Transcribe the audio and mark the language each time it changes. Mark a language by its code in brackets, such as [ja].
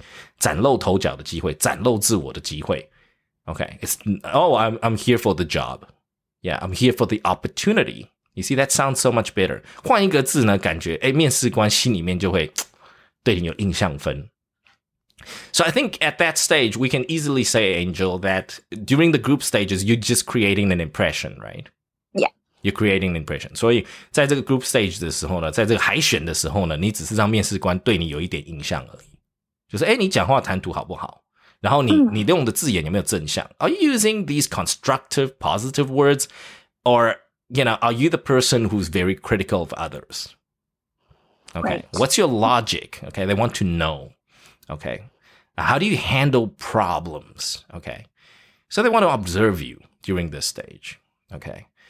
[zh] 就你把这个工作,你不要讲job这个字,你把它换成opportunity,这是一个机会,这是一个让你崭露头角的机会,崭露自我的机会. [en] Okay, it's, I'm here for the job. Yeah, I'm here for the opportunity. You see, that sounds so much better. [zh] 换一个字呢,感觉面试官心里面就会对你有印象分。 [en] So I think at that stage, we can easily say, Angel, that during the group stages, you're just creating an impression, right? Yeah. You're creating an impression. [zh] 所以在这个group stage的时候呢,在这个海选的时候呢,你只是让面试官对你有一点印象而已。就是,诶,你讲话谈吐好不好? 然后你用的字眼有没有正向? [en] Are you using these constructive, positive words? Or, are you the person who's very critical of others? Okay. Right. What's your logic? Okay. They want to know. Okay. How do you handle problems? Okay. So they want to observe you during this stage. Okay.